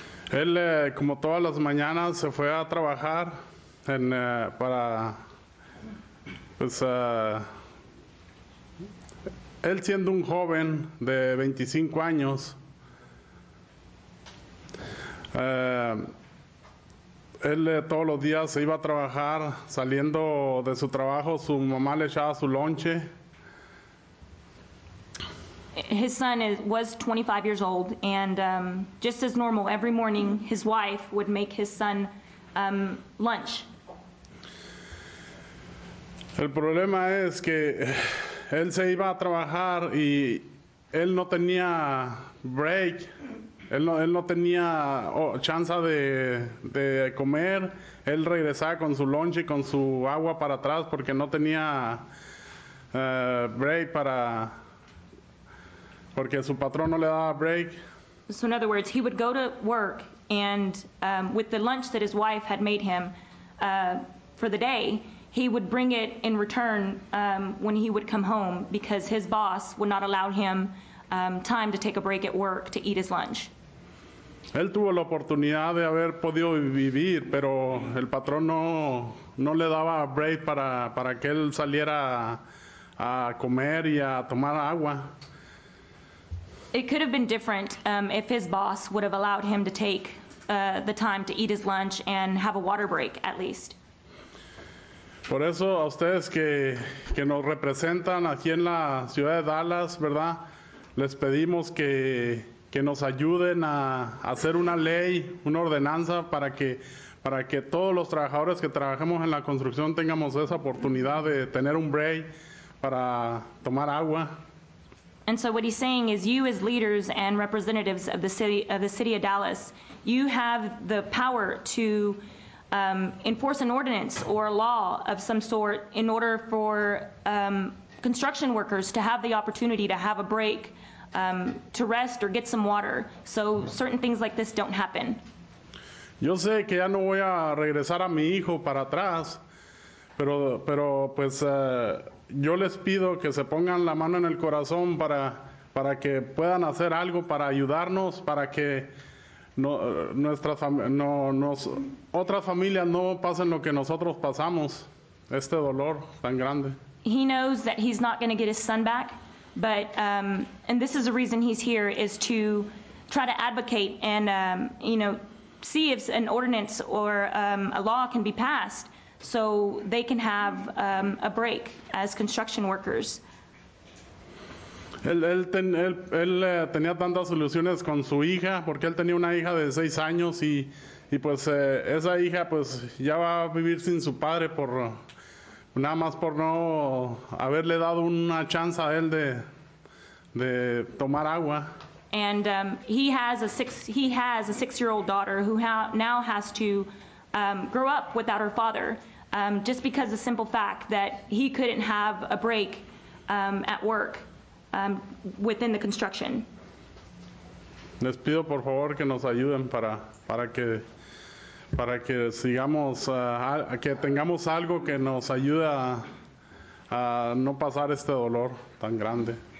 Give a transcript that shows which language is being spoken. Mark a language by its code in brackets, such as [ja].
[es] Él, como todas las mañanas, se fue a trabajar él siendo un joven de 25 años, él todos los días se iba a trabajar, saliendo de su trabajo, su mamá le echaba su lonche. [en] His son was 25 years old, and just as normal, every morning, his wife would make his son lunch. [es] El problema es que él se iba a trabajar y él no tenía break. Él no tenía chance de comer. Él regresaba con su lunch y con su agua para atrás porque no tenía break para... Porque su patrón no le daba break. [en] So in other words, he would go to work and with the lunch that his wife had made him for the day, he would bring it in return when he would come home because his boss would not allow him time to take a break at work to eat his lunch. [es] Él tuvo la oportunidad de haber podido vivir, pero el patrón no le daba break para que él saliera a comer y a tomar agua. [en] It could have been different if his boss would have allowed him to take the time to eat his lunch and have a water break, at least. [es] Por eso a ustedes que nos representan aquí en la ciudad de Dallas, ¿verdad? Les pedimos que nos ayuden a hacer una ley, una ordenanza para que todos los trabajadores que trabajemos en la construcción tengamos esa oportunidad de tener un break para tomar agua. [en] And so what he's saying is you as leaders and representatives of the city of Dallas, you have the power to enforce an ordinance or a law of some sort in order for construction workers to have the opportunity to have a break, to rest or get some water. So certain things like this don't happen. [es] Yo sé que ya no voy a regresar a mi hijo para atrás, pero pues yo les pido que se pongan la mano en el corazón para que puedan hacer algo para ayudarnos, para que otras familias no pasen lo que nosotros pasamos, este dolor tan grande. [en] He knows that he's not going to get his son back, but and this is the reason he's here, is to try to advocate and see if an ordinance or a law can be passed so they can have a break as construction workers. [es] Él tenía tantas ilusiones con su hija, porque él tenía una hija de 6 años y Y pues esa hija pues ya va a vivir sin su padre por nada más por no haberle dado una chance a él de tomar agua. [en] And he has a six-year-old daughter who now has to grow up without her father, just because of the simple fact that he couldn't have a break at work within the construction. [es] Les pido por favor que nos ayuden para que sigamos que tengamos algo que nos ayude a no pasar este dolor tan grande.